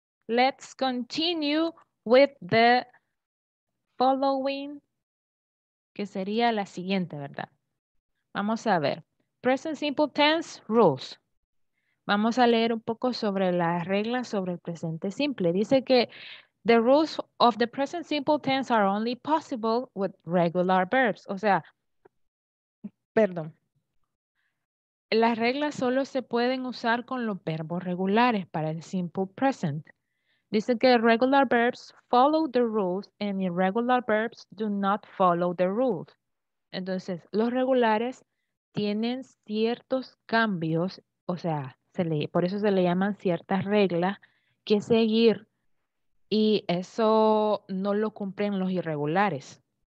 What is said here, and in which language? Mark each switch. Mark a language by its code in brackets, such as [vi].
[en] Let's continue with the following, [es] que sería la siguiente, ¿verdad? Vamos a ver. [en] Present Simple Tense Rules. [es] Vamos a leer un poco sobre las reglas sobre el presente simple. Dice que [en] the rules of the present simple tense are only possible with regular verbs. [es] O sea, perdón. Las reglas solo se pueden usar con los verbos regulares para el simple present. Dice que [en] regular verbs follow the rules and irregular verbs do not follow the rules. [es] Entonces, los regulares tienen ciertos cambios, o sea, por eso se le llaman ciertas reglas que seguir y eso no lo cumplen los irregulares.